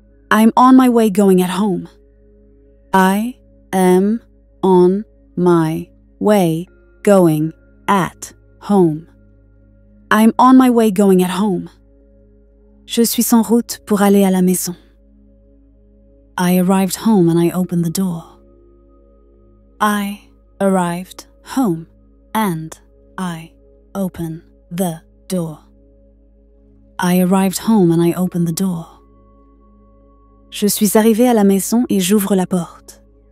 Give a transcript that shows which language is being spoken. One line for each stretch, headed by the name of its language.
English: I'm on my way going at home. I am on my way going at home. I'm on my way going at home.
French: Je suis en route pour aller à la maison.
English: I arrived home and I opened the door. I arrived home and I opened the door. I arrived home and I opened the door.
French: Je suis arrivé à la maison et j'ouvre la porte.